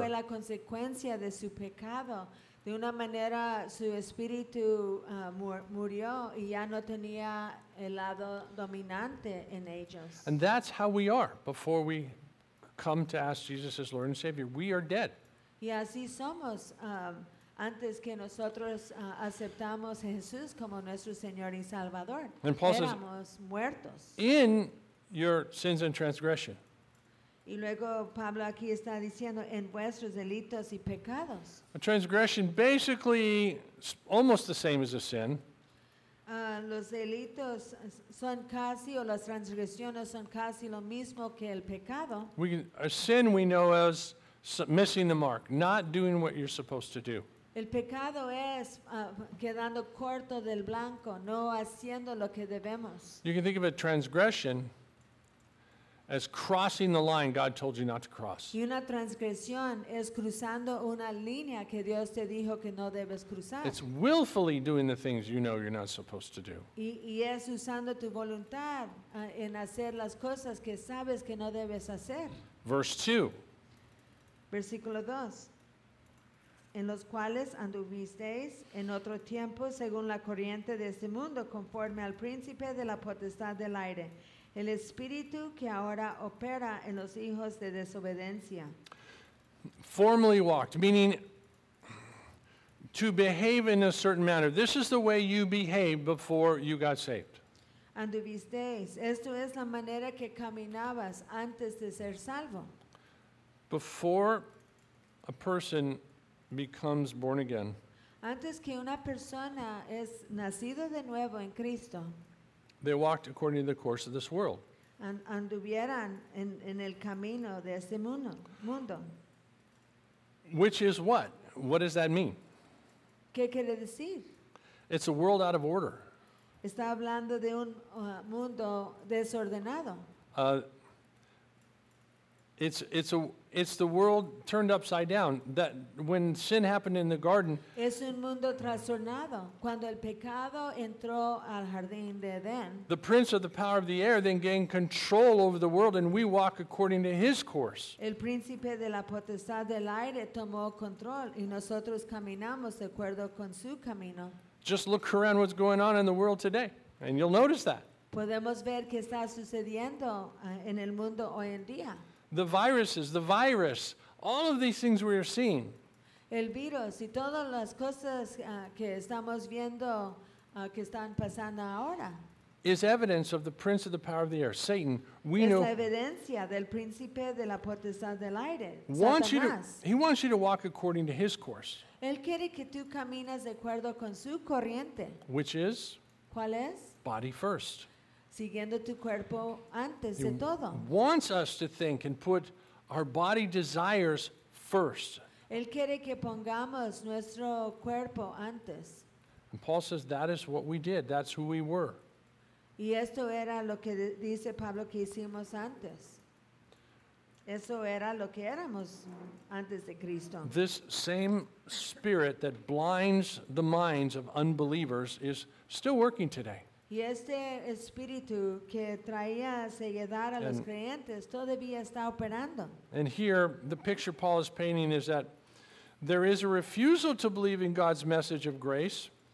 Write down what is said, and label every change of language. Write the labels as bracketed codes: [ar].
[es] Y eso fue la consecuencia de su pecado. De una manera, su espíritu murió y ya no tenía el lado dominante en ellos. [en] And that's how we are before we come to ask Jesus as Lord and Savior. We are dead. [es] Y así somos antes que nosotros aceptamos a Jesús como nuestro Señor y Salvador. [en] And Paul [es] éramos [en] says, [es] muertos. [en] In your sins and transgression. [es] Y luego Pablo aquí está diciendo en vuestros delitos y pecados. [en] A transgression basically almost the same as a sin. [es] Los delitos son casi, o las transgresiones son casi lo mismo que el pecado. [en] A sin we know as missing the mark, not doing what you're supposed to do. [es] El pecado es quedando corto del blanco, no haciendo lo que debemos. [en] You can think of a transgression as crossing the line God told you not to cross. [es] Y una transgresión es cruzando una línea que Dios te dijo que no debes cruzar. [en] It's willfully doing the things you know you're not supposed to do. [es] Y es usando tu voluntad en hacer las cosas que sabes que no debes hacer. [en] Verse 2. [es] Versículo 2. En los cuales anduvisteis en otro tiempo según la corriente de este mundo, conforme al príncipe de la potestad del aire, el espíritu que ahora opera en los hijos de desobediencia. [en] Formerly walked, meaning to behave in a certain manner. This is the way you behaved before you got saved. [es] Anduvisteis. Esto es la manera que caminabas antes de ser salvo. [en] Before a person becomes born again. [es] Antes que una persona es nacido de nuevo en Cristo. [en] They walked according to the course of this world. [es] Anduvieran en el camino de este mundo. [en] Which is what? What does that mean? [es] ¿Qué quiere decir? [en] It's a world out of order. [es] Está hablando de un mundo desordenado. [en] It's the world turned upside down. That when sin happened in the garden, [es] es un mundo trastornado cuando el pecado entró al jardín de Edén. [en] The prince of the power of the air then gained control over the world, and we walk according to his course. [es] El príncipe de la potestad del aire tomó control y nosotros caminamos de acuerdo con su camino. [en] Just look around what's going on in the world today, and you'll notice that. [es] Podemos ver qué está sucediendo en el mundo hoy en día. [en] The viruses, the virus, all of these things we are seeing. [es] El virus y todas las cosas que estamos viendo que están pasando ahora. [en] Is evidence of the prince of the power of the air, Satan. We [es] es [en] know. [es] Es la evidencia del príncipe de la potestad del aire. [en] He wants you to walk according to his course. [es] Él quiere que tú camines de acuerdo con su corriente. [en] Which is? [es] ¿Cuál es? [en] Body first. [es] Siguiendo tu cuerpo antes [en] he [es] de todo. [en] Wants us to think and put our body desires first. [es] Él quiere que pongamos nuestro cuerpo antes. [en] And Paul says that is what we did. That's who we were. [es] Y esto era lo que dice Pablo que hicimos antes. Eso era lo que éramos antes de Cristo. [en] This same spirit that blinds the minds of unbelievers is still working today. [es] Y este espíritu que traía ceguedad a los creyentes todavía está operando. [en] And here, the picture Paul is painting is that there is a refusal to believe in God's message of grace.